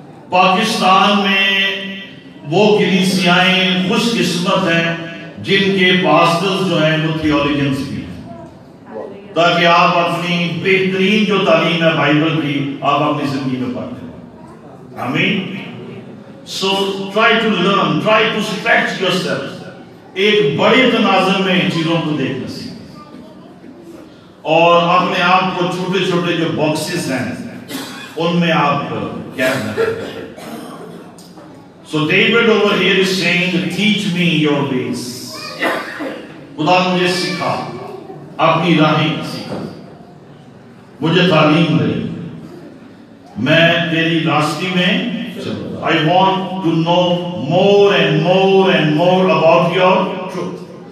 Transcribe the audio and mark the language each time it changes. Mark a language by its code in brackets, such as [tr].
[ur] پاکستان میں وہ کلیسیائیں خوش قسمت ہیں جن کے پاسٹرز جو ہیں وہ تھیولوجنز بھی ہیں، تاکہ آپ اپنی بہترین جو تعلیم ہے بائبل کی آپ اپنی زندگی میں پڑھ لیں. آمین. [en] so try to learn, try to stretch yourself, [ur] ایک بڑے تناظر میں چیزوں کو دیکھنا سیکھ، اور اپنے آپ کو چھوٹے چھوٹے جو باکسز ہیں ان میں آپ کیا. [en] So David over here is saying, teach me your ways. [ur] خدا مجھے سکھا، اپنی راہیں سکھا، مجھے تعلیم دے، میں تیری راستی میں چلوں. [en] I want to know more and more and more about your truth.